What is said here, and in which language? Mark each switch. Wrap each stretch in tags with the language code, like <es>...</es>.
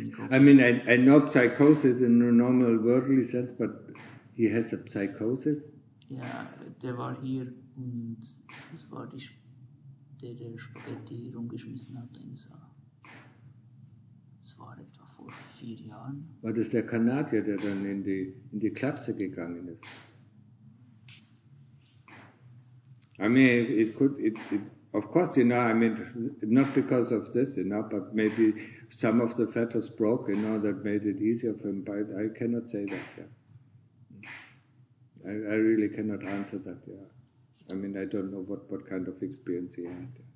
<en>I mean, I know psychosis in a normal worldly sense, but he has a psychosis? Yeah, they were here and this word is the spaghetti</en> <de>rumgeschmissen hat in so. Es war etwa vor 4 Jahren. War das der Kanadier, der dann in die Klapse gegangen ist?</de> <en>I mean, of course, you know, I mean, not because of this, you know, but maybe some of the fetters broke, you know, that made it easier for him, but I cannot say that, yeah. I really cannot answer that, yeah. I mean, I don't know what kind of experience he had.</en>